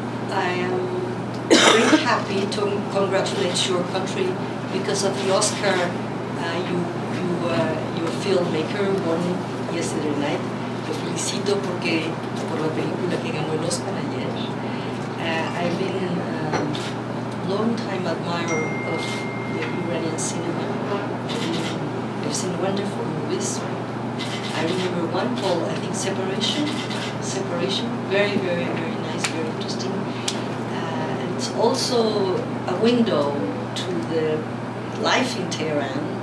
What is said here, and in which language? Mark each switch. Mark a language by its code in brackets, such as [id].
[en] I am very happy to congratulate your country because of the Oscar your filmmaker won yesterday night. [es] Lo felicito porque por la película que ganó el Oscar ayer. [en] I've been a long time admirer of the Iranian cinema. I've seen wonderful movies. I remember one called, I think, Separation. Separation, very, very, very nice, very interesting. And it's also a window to the life in Tehran.